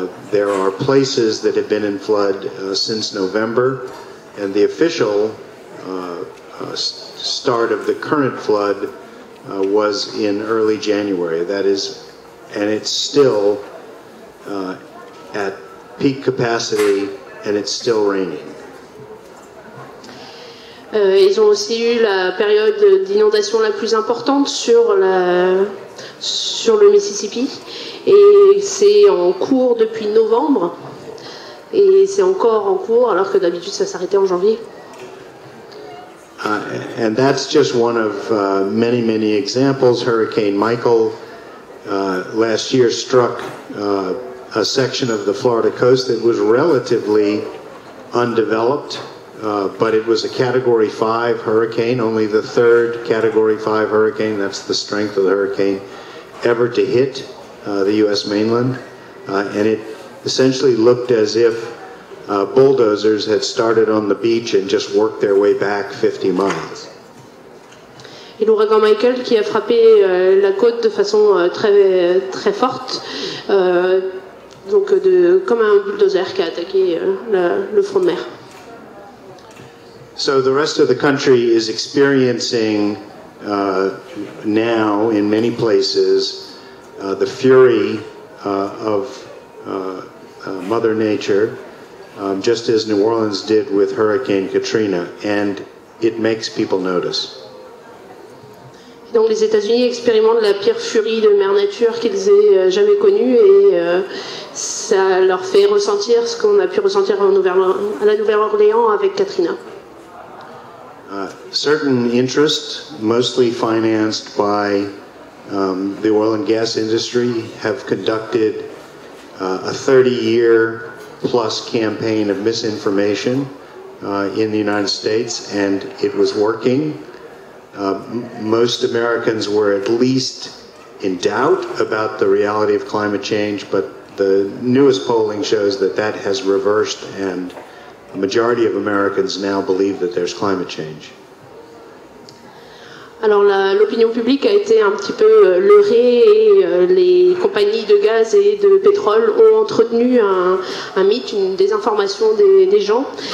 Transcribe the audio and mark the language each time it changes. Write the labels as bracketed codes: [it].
[en] There are places that have been in flood since November, and the official start of the current flood was in early January. That is, and it's still at peak capacity, and it's still raining. [fr] Ils ont aussi eu la période d'inondation la plus importante sur le Mississippi. Et c'est en cours depuis novembre. Et c'est encore en cours, alors que d'habitude, ça s'arrêtait en janvier. [en] And that's just one of many, many examples. Hurricane Michael last year struck a section of the Florida coast that was relatively undeveloped. But it was a Category 5 hurricane, only the third Category 5 hurricane, that's the strength of the hurricane, ever to hit the U.S. mainland. And it essentially looked as if bulldozers had started on the beach and just worked their way back 50 miles. [fr] Et l'ouragan Michael qui a frappé la côte de façon très, très forte, donc comme un bulldozer qui a attaqué le front de mer. [en] So the rest of the country is experiencing now, in many places, the fury of Mother Nature, just as New Orleans did with Hurricane Katrina, and it makes people notice. [fr] Donc les États-Unis expérimentent la pire furie de Mère Nature qu'ils aient jamais connue, et ça leur fait ressentir ce qu'on a pu ressentir à la Nouvelle-Orléans avec Katrina. [en] Certain interests, mostly financed by the oil and gas industry, have conducted a 30-year-plus campaign of misinformation in the United States, and it was working. Most Americans were at least in doubt about the reality of climate change, but The newest polling shows that that has reversed, and a majority of Americans now believe that there's climate change. [fr] Alors l'opinion publique a été un petit peu leurrée et les compagnies de gaz et de pétrole ont entretenu un mythe, une désinformation des gens.